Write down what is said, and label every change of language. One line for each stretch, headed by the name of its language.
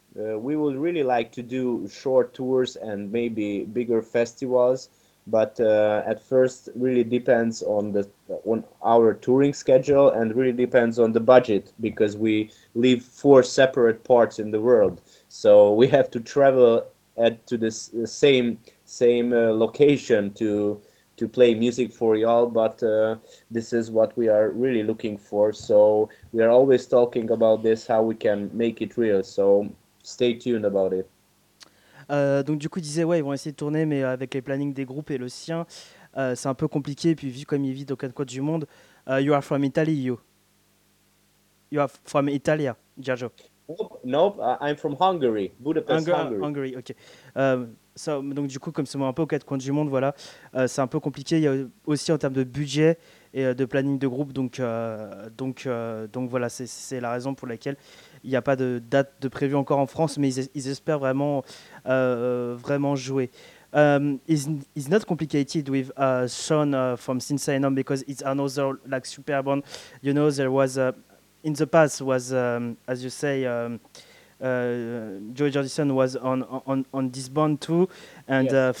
English: We would really like to do short tours and maybe bigger festivals, but at first really depends on our touring schedule, and really depends on the budget, because we live four separate parts in the world, so we have to travel to the same location to play music for y'all. But this is what we are really looking for, so we are always talking about this, how we can make it real. So stay tuned about it.
French: Donc du coup, il disait, ouais, ils vont essayer de tourner, mais avec les plannings des groupes et le sien, c'est un peu compliqué. Et puis vu comme il vit dans quatre coins du monde,
English: you are from Italy, you. You are from Italia, Giorgio. Nope, I'm from Hungary, Budapest, Hungary. Ok.
French: Donc du coup, comme c'est un peu aux quatre coins du monde, voilà, c'est un peu compliqué. Il y a aussi en termes de budget et de planning de groupe, donc voilà, c'est la raison pour laquelle il n'y a pas de date de prévu encore en France, mais ils espèrent vraiment vraiment jouer.
English: It's not complicated with Sean from Sin Saenum, because it's another like super band. You know, there was in the past was as you say, Joey Jordison was on this band too, and yes.